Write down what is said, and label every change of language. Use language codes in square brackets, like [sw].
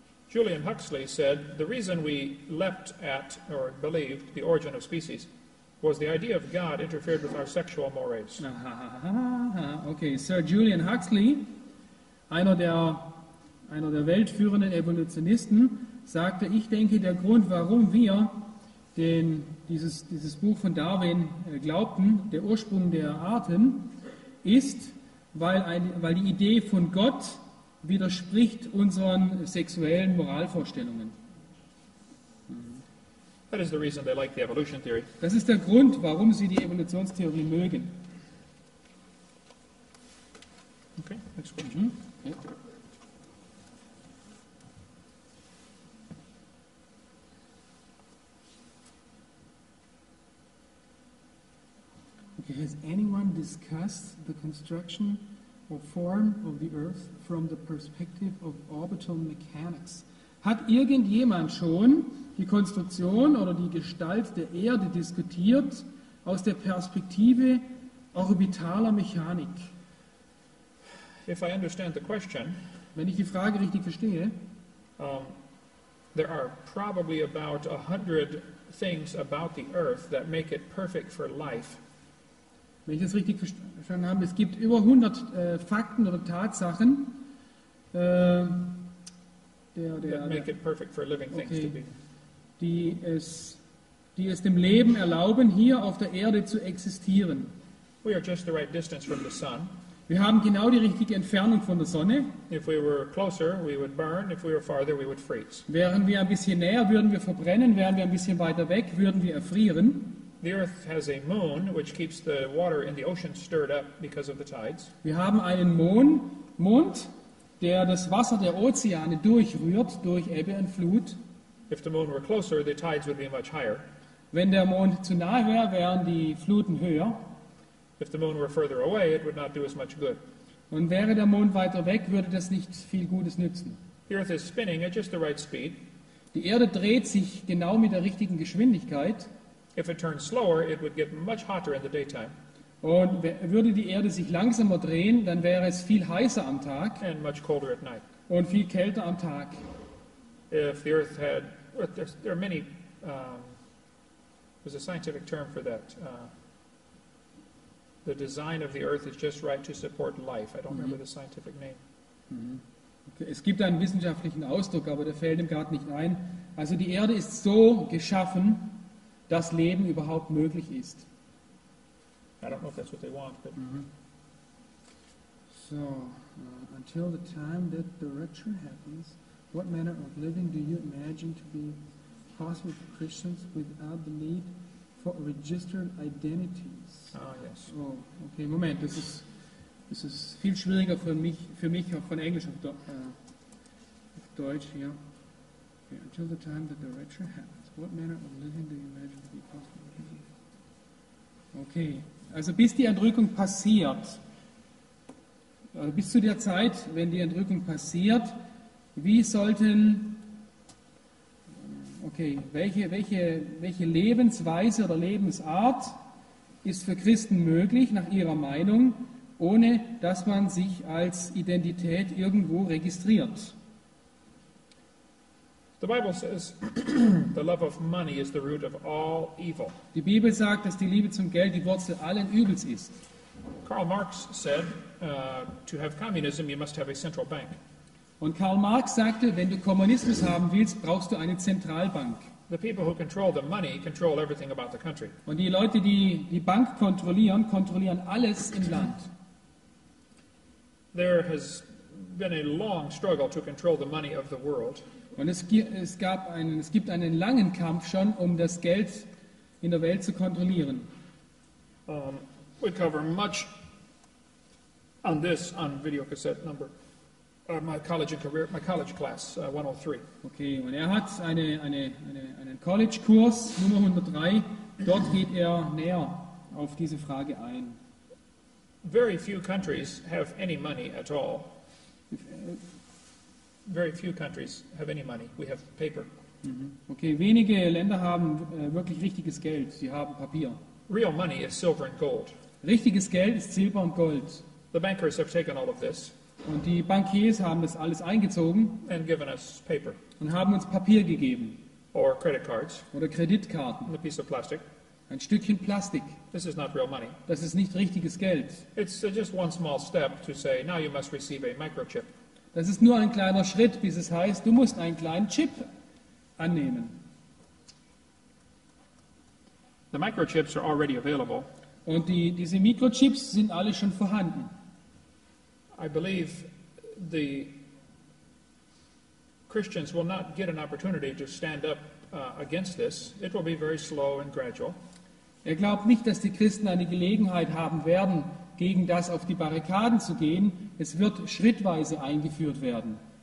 [en] Julian Huxley said, the reason we leapt at or believed the origin of species was the idea of God interfered with our sexual mores. [de] Okay, Sir Julian Huxley, einer der weltführenden Evolutionisten, sagte, ich denke, der Grund, warum wir dieses Buch von Darwin glaubten, der Ursprung der Arten, ist, weil die Idee von Gott widerspricht unseren sexuellen Moralvorstellungen. [en] That is the reason they like the evolution theory. [de] Das ist der Grund, warum sie die Evolutionstheorie mögen. [en] Okay, next question. Okay, has anyone discussed the construction or form of the Earth from the perspective of orbital mechanics? [de] Hat irgendjemand schon die Konstruktion oder die Gestalt der Erde diskutiert aus der Perspektive orbitaler Mechanik? [en] If I understand the question, [de] wenn ich die Frage richtig verstehe, [en] there are probably about 100 things about the Earth that make it perfect for life. [de] Wenn ich das richtig verstanden habe, es gibt über 100 Fakten oder Tatsachen, die es dem Leben erlauben, hier auf der Erde zu existieren. [en] We are just the right distance from the sun. [de] Wir haben genau die richtige Entfernung von der Sonne. [en] If we were closer, we would burn. If we were farther, we would freeze. [de] Wären wir ein bisschen näher, würden wir verbrennen. Wären wir ein bisschen weiter weg, würden wir erfrieren. [en] The Earth has a moon, which keeps the water in the ocean stirred up because of the tides. [de] Wir haben einen Mond, der das Wasser der Ozeane durchrührt durch Ebbe und Flut. [en] If the moon were closer, the tides would be much higher. [de] Wenn der Mond zu nahe wäre, wären die Fluten höher. [en] If the moon were further away, it would not do as much good. [de] Und wäre der Mond weiter weg, würde das nicht viel Gutes nützen. [en] The earth is spinning at just the right speed. [de] Die Erde dreht sich genau mit der richtigen Geschwindigkeit. [en] If it turned slower, it would get much hotter in the daytime. [de] Und würde die Erde sich langsamer drehen, dann wäre es viel heißer am Tag. [en] And much colder at night. [de] Und viel kälter am Tag. [en] If the earth had, there are many, there's a scientific term for that. The design of the earth is just right to support life. I don't remember the scientific name. Okay. [de] Es gibt einen wissenschaftlichen Ausdruck, aber der fällt ihm gerade nicht ein. Also die Erde ist so geschaffen, dass Leben überhaupt möglich ist. [en] I don't know if that's what they want, but... Mm-hmm. So, until the time that the rapture happens, what manner of living do you imagine to be possible for Christians without the need for registered identities? Yes. [de] Oh, okay, Moment, das ist viel schwieriger für mich auch von Englisch auf Deutsch hier. [en] Okay, until the time that the rapture happens, what manner of living do you imagine to be possible? [de] Okay, also bis die Entrückung passiert, bis zu der Zeit, wenn die Entrückung passiert, wie sollten, okay, welche Lebensweise oder Lebensart ist für Christen möglich, nach ihrer Meinung, ohne dass man sich als Identität irgendwo registriert? [en] The Bible says the love of money is the root of all evil. [de] Die Bibel sagt, dass die Liebe zum Geld die Wurzel allen Übels ist. [en] Karl Marx said, to have communism you must have a central bank. [de] Und Karl Marx sagte, wenn du Kommunismus haben willst, brauchst du eine Zentralbank. [en] The people who control the money control everything about the country. [de] Und die Leute, die die Bank kontrollieren, kontrollieren alles im Land. [en] There has been a long struggle to control the money of the world. [de] Und es gibt einen langen Kampf schon, um das Geld in der Welt zu kontrollieren. [en] We cover much on this on video cassette number my college and career my college class 103. [de] Okay, und er hat einen College Kurs Nummer 103. Dort geht er näher auf diese Frage ein. [en] Very few countries have any money at all. Very few countries have any money. We have paper. [de] Mm-hmm. Okay, wenige Länder haben wirklich richtiges Geld. Sie haben Papier. [en] Real money is silver and gold. [de] Richtiges Geld ist Silber und Gold. [en] The bankers have taken all of this. [de] Und die Bankiers haben das alles eingezogen. [en] And given us paper. [de] Und haben uns Papier gegeben. [en] Or credit cards. [de] Oder Kreditkarten. [en] And a piece of plastic. [de] Ein Stückchen Plastik. [en] This is not real money. [de] Das ist nicht richtiges Geld. [en] It's just one small step to say now you must receive a microchip. [de] Das ist nur ein kleiner Schritt, bis es heißt, du musst einen kleinen Chip annehmen. [en] The microchips are already available. [de] Und diese Mikrochips sind alle schon vorhanden. [en] I believe the Christians will not get an opportunity to stand up against this. It will be very slow and gradual. [de] Er glaubt nicht, dass die Christen eine Gelegenheit haben werden, gegen das auf die Barrikaden zu gehen. Es wird schrittweise eingeführt werden.